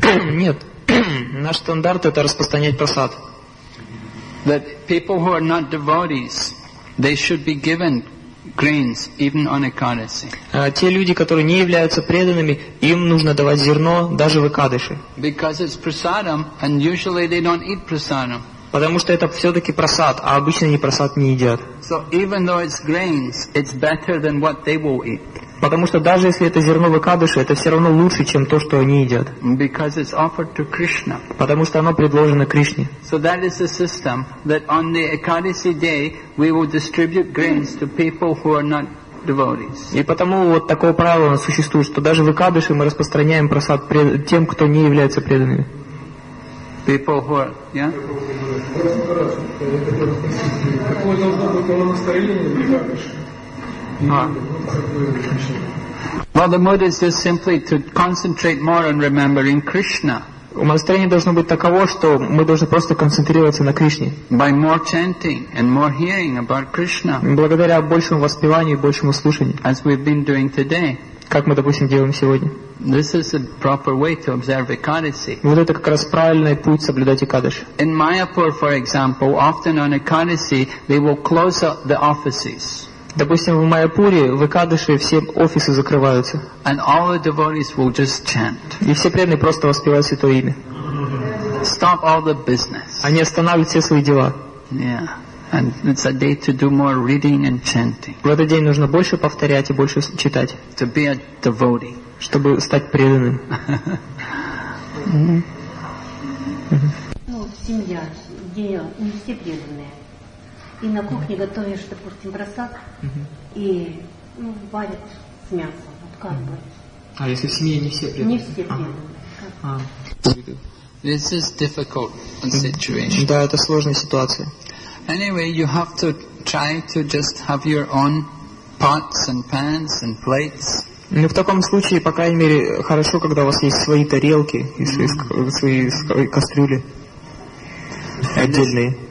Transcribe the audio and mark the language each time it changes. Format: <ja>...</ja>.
<ru>Нет, наш стандарт это распространять прасад.</ru> <en>That people who are not devotees, they should be given grains even on Ekadasi.</en> <ru>Те люди, которые не являются преданными, им нужно давать зерно даже в Экадаши.</ru> <en>Because it's prasadam, and usually they don't eat prasadam.</en> <ru>Потому что это все-таки прасад, а обычно они прасад не едят.</ru> <en>So even though it's grains, it's better than what they will eat.</en> <ru>Потому что даже если это зерно в Экадаши, это все равно лучше, чем то, что они едят.</ru> <en>Because it's offered to Krishna.</en> <ru>Потому что оно предложено Кришне.</ru> <en>So that is the system that on the Ekadasi day we will distribute grains to people who are not devotees.</en> <ru>И потому вот такое правило существует, что даже в Экадыши мы распространяем прасад тем, кто не является преданными.</ru> <en>People who are, Well, the mood is just simply to concentrate more on remembering Krishna.</en> <ru>Умонастроение должно быть таково, что мы должны просто концентрироваться на Кришне.</ru> <en>By more chanting and more hearing about Krishna.</en> <ru>Благодаря большему воспеванию и большему слушанию.</ru> <en>As we've been doing today.</en> <ru>Как мы, допустим, делаем сегодня.</ru> <en>This is a proper way to observe Ekadasi.</en> <ru>Вот это как раз правильный путь соблюдать Экадаш.</ru> <en>In Mayapur, for example, often on Ekadasi, they will close up the offices.</en> <ru>Допустим, в Майяпуре, в Экадыше все офисы закрываются.</ru> <en>And all the devotees will just chant.</en> <ru>И все преданные просто воспевают святое имя.</ru> <en>Stop all the business.</en> <ru>Они останавливают все свои дела.</ru> <en>Yeah. And it's a day to do more reading and chanting.</en> <ru>В этот день нужно больше повторять и больше читать.</ru> <en>To be a devotee.</en> <ru>Чтобы стать преданным. Семья, где не все преданные. И на кухне готовишь, допустим, просад, и варят с мясом. Вот как А если в семье не все преданные? Не все преданные.</ru> <en>This is difficult situation.</en> <ru>Да, это сложная ситуация.</ru> <en>Anyway, you have to try to just have your own pots and pans and plates.</en> <ru>Ну, в таком случае, по крайней мере, хорошо, когда у вас есть свои тарелки и свои кастрюли отдельные.</ru>